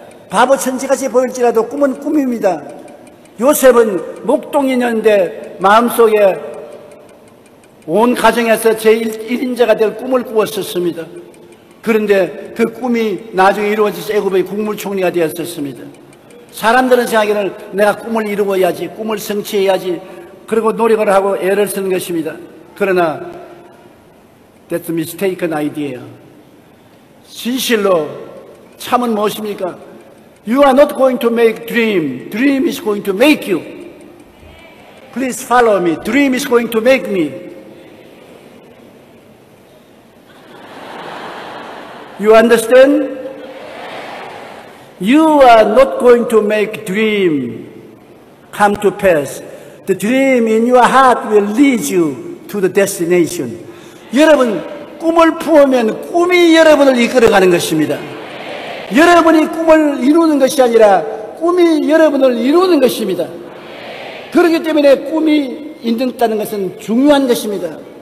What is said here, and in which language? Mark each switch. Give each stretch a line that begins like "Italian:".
Korean: 바보 천지같이 보일지라도 꿈은 꿈입니다. 요셉은 목동이었는데 마음속에 온 가정에서 제1인자가 될 꿈을 꾸었었습니다. 그런데 그 꿈이 나중에 이루어져서 애굽의 국무총리가 되었었습니다. 사람들은 생각에는 내가 꿈을 이루어야지, 꿈을 성취해야지 그리고 노력을 하고 애를 쓰는 것입니다. 그러나
English: that's a mistaken idea.
Korean: 진실로 참은 무엇입니까?
English: You are not going to make dream. Dream is going to make you. Please follow me. Dream is going to make me. You understand? You are not going to make dream come to pass. The dream in your heart will lead you to the destination.
Korean: 여러분, 꿈을 품으면 꿈이 여러분을 이끌어가는 것입니다. 여러분이 꿈을 이루는 것이 아니라 꿈이 여러분을 이루는 것입니다. 그렇기 때문에 꿈이 있다는 것은 중요한 것입니다.